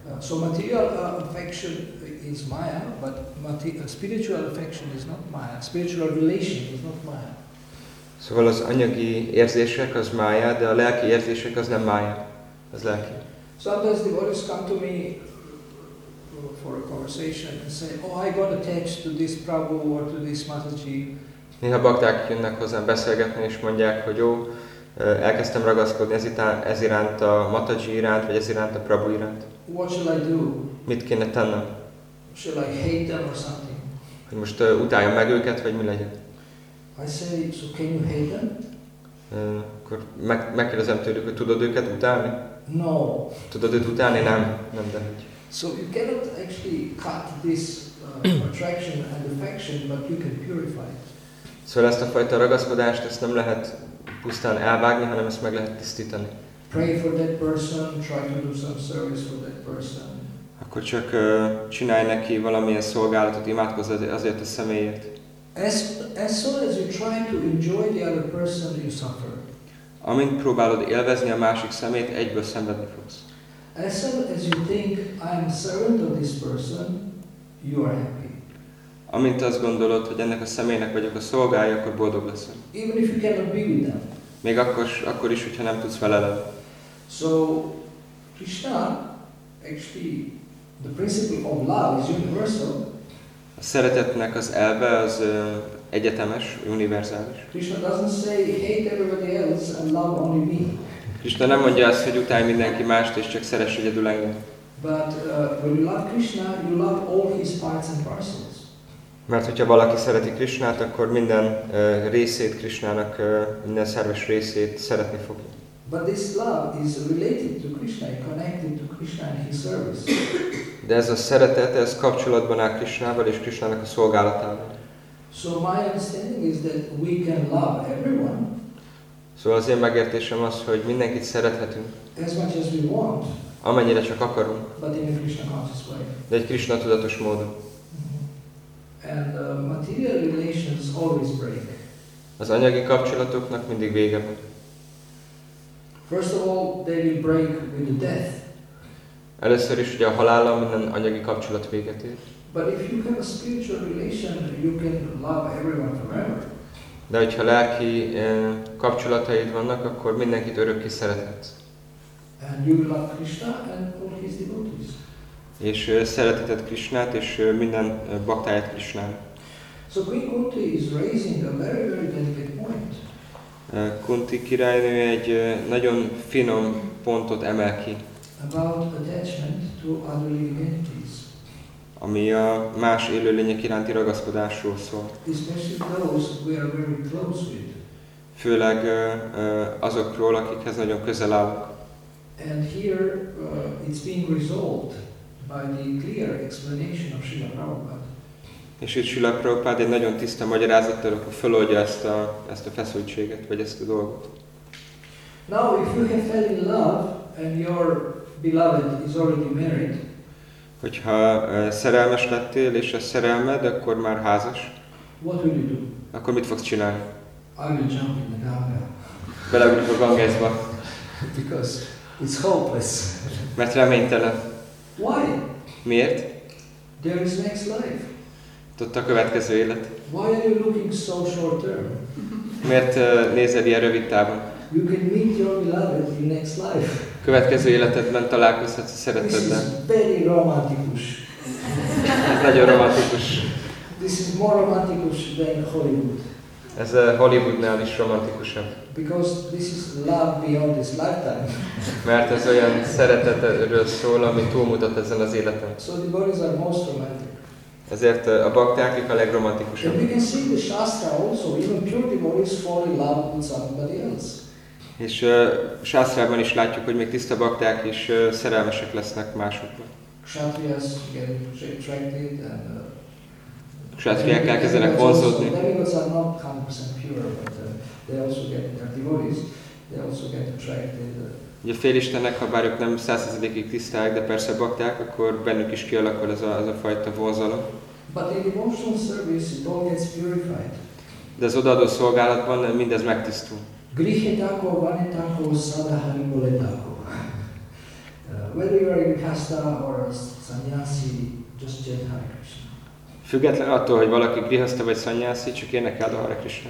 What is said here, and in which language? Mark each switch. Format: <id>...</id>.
<en>So material affection is maya, but spiritual affection is not maya. Spiritual relation is not maya.</en> <hu>Szóval az anyagi érzések az maya, de a lelki érzések az nem maya. Az lelki.</hu> <en>Sometimes devotees come to me for a conversation and say, oh, I got attached to this Prabhu or to this Mataji.</en> <hu>Néha bakták jönnek hozzám beszélgetni és mondják, hogy jó, elkezdtem ragaszkodni ez iránt a Mataji iránt, vagy ez iránt a Prabhu iránt.</hu> <en>What shall I do?</en> <hu>Mit kéne tennem?</hu> <en>Shall I hate them or something?</en> <hu>Hogy most utáljam meg őket, vagy mi legyen?</hu> <en>I say, so can you hate them?</en> <hu>Akkor megkérdezem tőlük, hogy tudod őket utálni?</hu> <en>No.</en> <hu>Tudod őt utálni? Nem, de hogy.</hu> <en>So you cannot actually cut this attraction and affection, but you can purify it.</en> <hu>Szóval ezt a fajta ragaszkodást, ezt nem lehet pusztán elvágni, hanem ezt meg lehet tisztítani.</hu> <en>Pray for that person, try to do some service for that person.</en> <hu>Akkor csak csinálj neki valamilyen szolgálatot, imádkozz azért a személyért.</hu> <en>As soon as you try to enjoy the other person, you suffer.</en> <hu>Amint próbálod élvezni a másik szemét, egyből szenvedni fogsz.</hu> <en>As soon as you think I'm a servant of this person, you are happy.</en> <hu>Amint azt gondolod, hogy ennek a személynek vagyok a szolgája, akkor boldog leszel.</hu> <en>Even if you cannot be with them.</en> <hu>Még akkor is, hogyha nem tudsz vele lenni.</hu> <en>So, Krishna, actually, the principle of love is universal.</en> <hu>A szeretetnek az elve az egyetemes, univerzális.</hu> <en>Krishna doesn't say, hate everybody else and love only me.</en> <hu>Krishna nem mondja azt, hogy utálj mindenki mást és csak szeress egyedül engem.</hu> <en>But when you love Krishna, you love all his parts and parcels.</en> <hu>Mert hogyha valaki szereti Krisnát, akkor minden részét Krisnának, minden szerves részét szeretni fogja.</hu> <en>But this love is related to Krishna, connected to Krishna and his service.</en> <hu>De ez a szeretet, ez kapcsolatban áll Krisnával és Krisnának a szolgálatával.</hu> <en>So my understanding is that we can love everyone.</en> <hu>Szóval az én megértésem az, hogy mindenkit szerethetünk.</hu> <en>As much as we want.</en> <hu>Amennyire csak akarunk.</hu> <en>But in a Krishna conscious way.</en> <hu>De egy Krishna tudatos módon.</hu> <en>And material relations always break.</en> <hu>Az anyagi kapcsolatoknak mindig vége van.</hu> <en>First of all, they will break with death.</en> <hu>Először is ugye a halállal minden anyagi kapcsolat véget ér.</hu> <en>But if you have a spiritual relation, you can love everyone forever.</en> <hu>De hogyha lelki kapcsolataid vannak, akkor mindenkit örökké szerethetsz.</hu> <en>And you love Krishna and all his devotees.</en> <hu>És szereteted Krishnát és minden baktáját Krishnán.</hu> <en>So Queen Kunti is raising a very, very delicate point.</en> <hu>Kunti királynő egy nagyon finom pontot emel ki.</hu> <en>About attachment to other living entities.</en> <hu>Ami a más élőlények iránti ragaszkodásról szól.</hu> <en>Especially those we are very close with.</en> <hu>Főleg azokról, akikhez nagyon közel állok.</hu> <en>And here it's being resolved by the clear explanation of Srila Prabhupada.</en> <hu>És itt Srila Prabhupada egy nagyon tiszta magyarázattal, akkor feloldja ezt a feszültséget, vagy ezt a dolgot.</hu> <en>Now, if you have fell in love and your beloved is already married.</en> <hu>Hogyha szerelmes lettél és a szerelmed, akkor már házas.</hu> <en>What will you do?</en> <hu>Akkor mit fogsz csinálni?</hu> <en>I will jump in the Ganga.</en> <hu>Beleugrik a Gangesba.</hu> <en>Because it's hopeless.</en> <hu>Mert reménytelen.</hu> <en>Why?</en> <hu>Miért?</hu> <en>There is next life.</en> <hu>Ott a következő élet.</hu> <en>Why are you looking so short term?</en> <hu>Miért nézed ilyen rövid távon?</hu> <en>You can meet your beloved in next life.</en> <hu>Következő életedben találkozhatsz a szeretteddel.</hu> <en>This is very romantikus.</en> <hu>Ez nagyon romantikus.</hu> <en>This is more romantikus than Hollywood.</en> <hu>Ez a Hollywoodnál is romantikusabb.</hu> <en>Because this is love beyond this lifetime.</en> <hu>Mert ez olyan szeretetről szól, ami túlmutat ezen az életen.</hu> <en>So the bodies are most romantic.</en> <hu>Ezért a bakták a legromantikusabb.</hu> <en>And we can see the Shastra also, even pure devotees fall in love with somebody else.</en> <hu>És Shastrában is látjuk, hogy még tiszta bakták is szerelmesek lesznek másokban.</hu> <en>Kshatriyas get attracted and...</en> <hu>Kshatriyák elkezdenek vonzódni.</hu> <en>The devotees are not 100% pure, but they also get their devotees, they also get attracted.</en> <hu>Ugye félistenek, ha bár ők nem 100%-ig tiszták, de persze bakták, akkor bennük is kialakul ez a fajta vonzalom.</hu> <en>But in devotional service, it all gets purified.</en> <hu>De az odaadó szolgálatban mindez megtisztul.</hu> <bn>Grihe tako, vane tako, sada harimole tako.</bn> <en>Whether you are in kasta or sannyasi, just chant Hare Krishna.</en> <hu>Független attól, hogy valaki grihasta vagy sannyasi, csak énekeld a Hare Krishna.</hu>